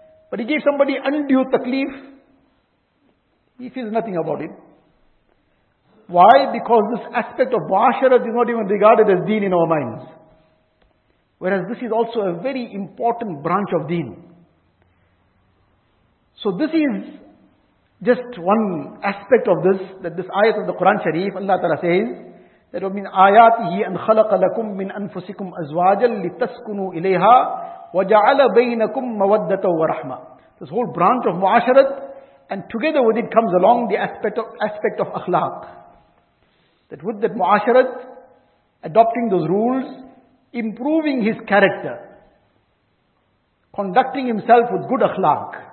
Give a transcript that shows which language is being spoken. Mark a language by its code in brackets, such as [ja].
[en] But he gave somebody undue takleef, he feels nothing about it. Why? Because this aspect of muasharat is not even regarded as deen in our minds. Whereas this is also a very important branch of deen. So this is just one aspect of this, that this ayat of the Quran Sharif, Allah Ta'ala says, that would mean [ar] آياته أن خلق لكم من أنفسكم أزواجا لتسكنوا إليها وجعل بينكم مودة ورحمة. [en] This whole branch of muasharat, and together with it comes along the aspect of akhlaq. That with that muasharat, adopting those rules, improving his character, conducting himself with good akhlaq.